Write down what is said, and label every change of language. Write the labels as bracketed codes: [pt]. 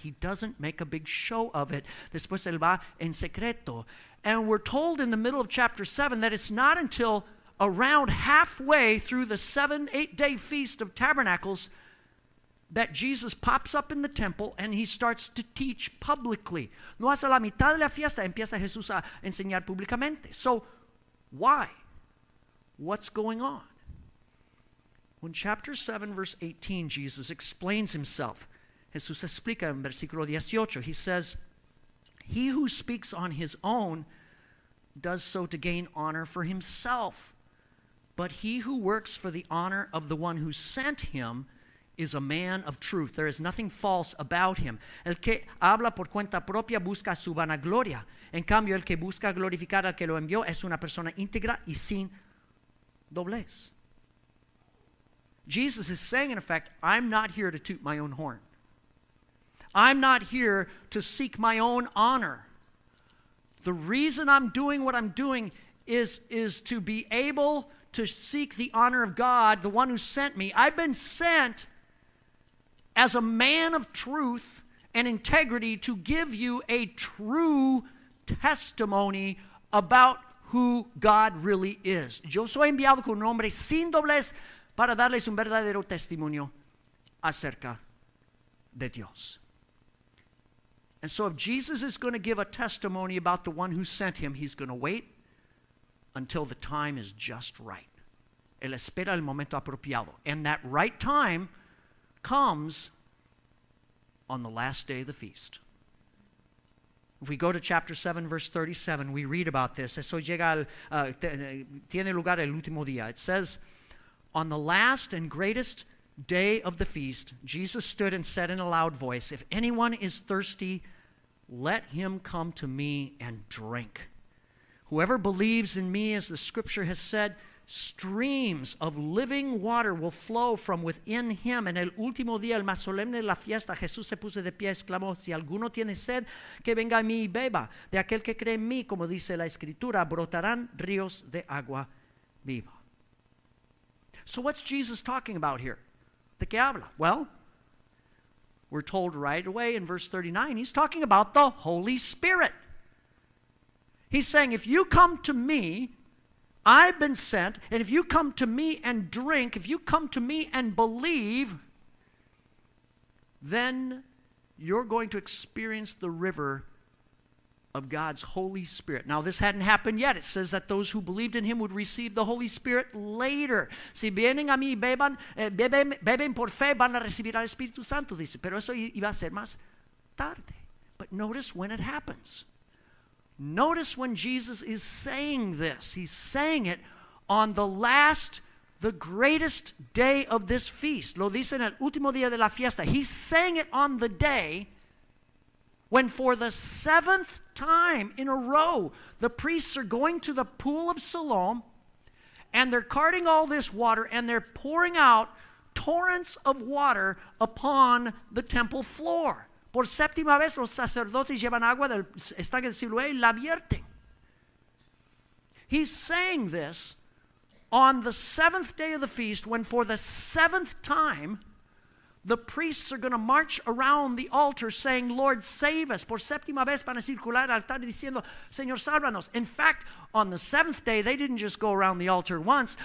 [en] He doesn't make a big show of it. [es] Después él va en secreto. [en] And we're told in the middle of chapter 7 that it's not until around halfway through the 7-8-day Feast of Tabernacles that Jesus pops up in the temple and he starts to teach publicly. [es] No hasta la mitad de la fiesta empieza Jesús a enseñar públicamente. [en] So why? What's going on? In chapter 7, verse 18, Jesus explains himself. [es] Jesús explica en versículo 18. [en] He says, he who speaks on his own does so to gain honor for himself. But he who works for the honor of the one who sent him is a man of truth. There is nothing false about him. [es] El que habla por cuenta propia busca su vanagloria. En cambio, el que busca glorificar al que lo envió es una persona íntegra y sin doblez. [en] Jesus is saying, in effect, I'm not here to toot my own horn. I'm not here to seek my own honor. The reason I'm doing what I'm doing is to be able to seek the honor of God, the one who sent me. I've been sent as a man of truth and integrity to give you a true testimony about who God really is. [es] Yo soy enviado con un hombre sin doblez para darles un verdadero testimonio acerca de Dios. [en] And so if Jesus is going to give a testimony about the one who sent him, he's going to wait until the time is just right. [es] Él espera el momento apropiado. [en] And that right time comes on the last day of the feast. If we go to chapter 7, verse 37, we read about this. [es] Eso llega al, tiene lugar el último día. [en] It says, on the last and greatest day of the feast, Jesus stood and said in a loud voice, if anyone is thirsty, let him come to me and drink. Whoever believes in me, as the scripture has said, streams of living water will flow from within him. [es] En el último día, el más solemne de la fiesta, Jesús se puso de pie y exclamó, si alguno tiene sed, que venga a mí y beba. De aquel que cree en mí, como dice la escritura, brotarán ríos de agua viva. [en] So what's Jesus talking about here? [es] ¿De qué habla? [en] Well, we're told right away in verse 39, he's talking about the Holy Spirit. He's saying, if you come to me, I've been sent, and if you come to me and drink, if you come to me and believe, then you're going to experience the river of God's Holy Spirit. Now, this hadn't happened yet. It says that those who believed in him would receive the Holy Spirit later. [es] Si vienen a mí y beban, beben por fe, van a recibir al Espíritu Santo, dice. Pero eso iba a ser más tarde. [en] But notice when it happens. Notice when Jesus is saying this. He's saying it on the last, the greatest day of this feast. [es] Lo dice en el último día de la fiesta. [en] He's saying it on the day when for the seventh time in a row, the priests are going to the pool of Siloam and they're carting all this water and they're pouring out torrents of water upon the temple floor. [es] Por séptima vez, los sacerdotes llevan agua del estanque de Siloé y la vierten. [en] He's saying this on the seventh day of the feast when for the seventh time, the priests are going to march around the altar saying, Lord, save us. [es] Por séptima vez van a circular al altar diciendo, Señor, sálvanos. [en] In fact, on the seventh day, they didn't just go around the altar once.